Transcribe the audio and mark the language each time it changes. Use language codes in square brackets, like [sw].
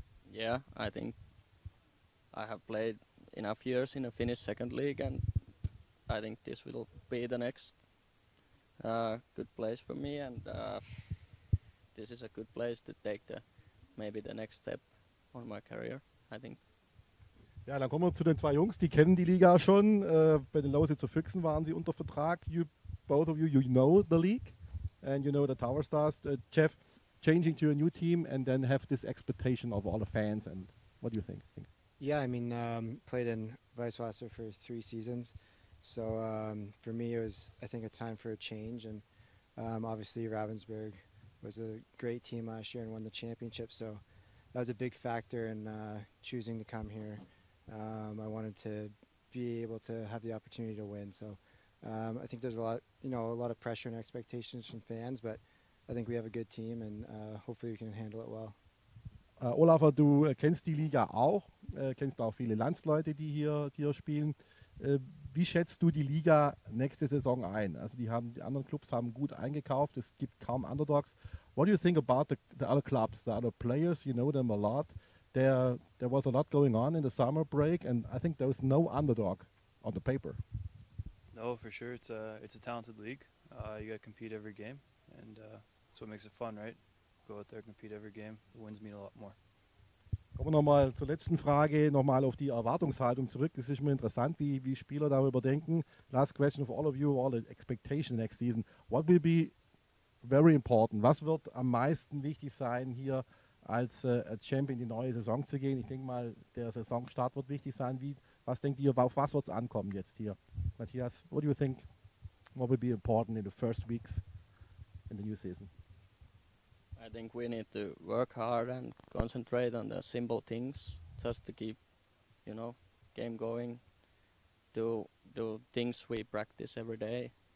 [en] Yeah, I think I have played enough years in a Finnish second league, and I think this will be the next good place for me, and this is a good place to take maybe the next step on my career, I think. [de] Ja, dann kommen wir zu den zwei Jungs, die kennen die Liga schon. Bei den Lausitzer Füchsen waren sie unter Vertrag. [en] You, both of you, you know the league and you know the Tower Stars. Jeff, changing to a new team and then have this expectation of all the fans. And what do you think? Yeah, I mean, played in Weißwasser for 3 seasons. So for me, it was, I think, a time for a change. And obviously, Ravensburg was a great team last year and won the championship. So that was a big factor in choosing to come here. I wanted to be able to have the opportunity to win, so I think there's a lot of pressure and expectations from fans, but I think we have a good team and hopefully we can handle it well. [de] Olaf, du kennst die Liga auch, kennst auch viele Landsleute, die hier spielen. Wie schätzt du die Liga nächste Saison ein? Also die anderen Clubs haben gut eingekauft, es gibt kaum Underdogs. [en] What do you think about the other clubs, the other players? You know them a lot. There was a lot going on in the summer break, and I think there was no underdog on the paper. No, for sure. It's a talented league. You got to compete every game, and that's what makes it fun, right? Go out there, compete every game. The wins mean a lot more. [de] Kommen wir nochmal zur letzten Frage, nochmal auf die Erwartungshaltung zurück. Es ist immer interessant, wie Spieler darüber denken. [en] Last question for all of you, all the expectation next season. What will be very important? [de] Was wird am meisten wichtig sein hier, als Champion in die neue Saison zu gehen? Ich denke mal, der Saisonstart wird wichtig sein. Was denkt ihr, auf was wird es ankommen jetzt hier? [en] Matthias, what do you think, what will be important in the first weeks in the new season? I think we need to work hard and concentrate on the simple things, just to keep, you know, game going, do things we practice every day.